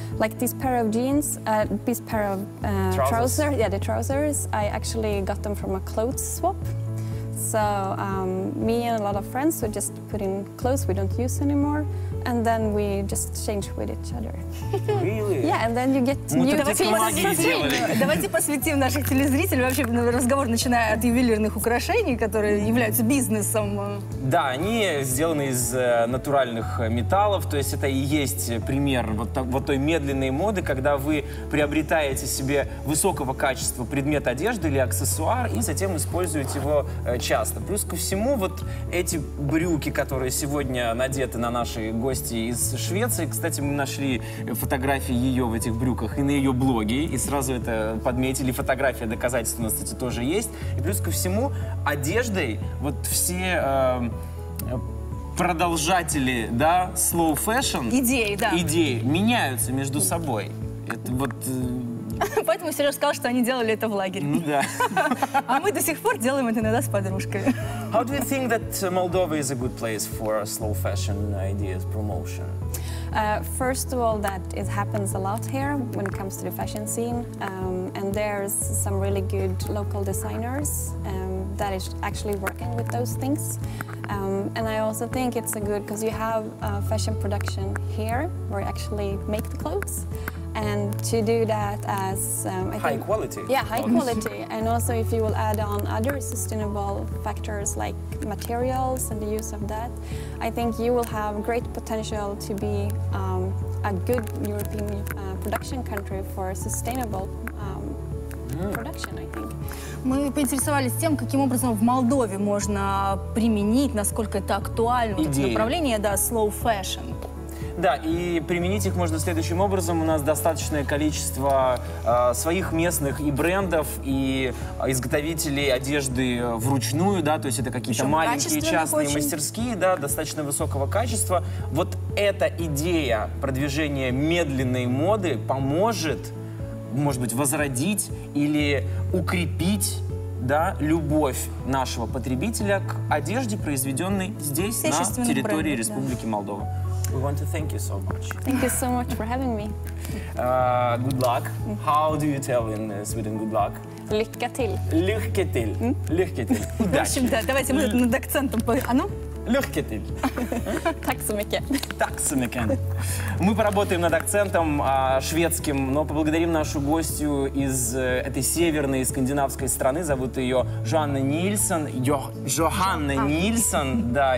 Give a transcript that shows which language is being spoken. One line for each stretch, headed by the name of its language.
English: Like this pair of jeans, this pair of trousers. Yeah, the trousers. I actually got them from a clothes swap. So me and a lot of friends were just putting clothes we don't use anymore, and then we just change with each other. Really? Yeah, and then you get new.
Russian: Давайте посвятим наших телезрителей вообще разговор, начиная от ювелирных украшений, которые являются бизнесом. Да, они сделаны из натуральных металлов, то есть это и есть пример вот той медленной моды, когда вы приобретаете себе высокого качества предмет одежды или аксессуар и затем используете его часто. Плюс ко всему, вот эти брюки, которые сегодня надеты на наши гости из Швеции, кстати, мы нашли фотографии ее в этих брюках и на ее блоге, и сразу это подметили, фотография доказательств у нас, кстати, тоже есть. И плюс ко всему, одеждой вот все продолжатели, да, slow fashion, идеи, да, идеи меняются между собой. Это вот... Поэтому Сережа сказал, что они делали это в лагере. Ну, да. А мы до сих пор делаем это иногда с подружкой.
English: How do you think that Moldova is a good place for slow fashion ideas promotion? First of all, that it happens a lot here when it comes to the fashion scene, and there's some really good local designers that is actually working with those things. And I also think it's a good because you have fashion production here where you actually make the clothes. And to do that as high quality, and also if you will add on other sustainable factors like materials and the use of that, I think you will have great potential to be a good European production country for sustainable production, I think.
Russian: Мы поинтересовались тем, каким образом в Молдове можно применить, насколько это актуально, вот эти направления, да, slow fashion. Да, и применить их можно следующим образом. У нас достаточное количество своих местных и брендов, и изготовителей одежды вручную, да, то есть это какие-то маленькие частные мастерские, да, достаточно высокого качества. Вот эта идея продвижения медленной моды поможет, может быть, возродить или укрепить, да, любовь нашего потребителя к одежде, произведенной здесь, на территории бренды, Республики, да, Молдова.
English: We want to thank you so much. Thank you so much for having me. Good luck. How do you tell in Sweden good luck? Lycka till. Lycka till. Lycka till.
Russian: Удачи. Давайте мы над акцентом по... А ну?
Swedish: Lycka till.
Russian: Так со мной. Так со мной. Мы поработаем над акцентом шведским, но поблагодарим нашу гостью из этой северной скандинавской страны. Зовут ее Йоханной Нильссон. Йоханной Нильссон, да.